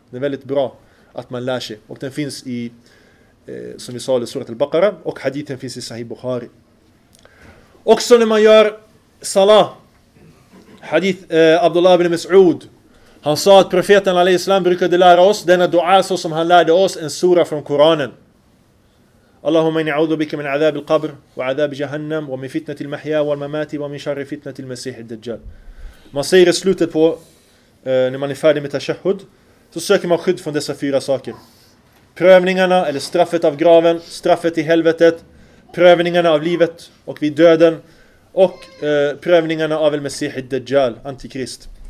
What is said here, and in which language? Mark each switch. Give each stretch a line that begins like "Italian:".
Swedish: Det är väldigt bra att man lär sig. Och den finns i, som vi sa, i surat al-Baqara, och hadithen finns i Sahih Bukhari. Också när man gör salah, hadith Abdullah ibn Mas'ud, han sa att profeten alaihi salam brukade lära oss denna dua så som han lärde oss en sura från Koranen.
Arabic: اللهم إني أعوذ بك من عذاب القبر وعذاب جهنم ومن فتنة المحيا والممات ومن شر فتنة المسيح الدجال.
Swedish: Man säger i slutet på när man är färdig med tashahud, så söker man skydd från dessa fyra saker: prövningarna, eller straffet av graven, straffet i helvetet, prövningarna av livet och vid döden, och prövningarna av al-Masih al-Dajjal, antikrist.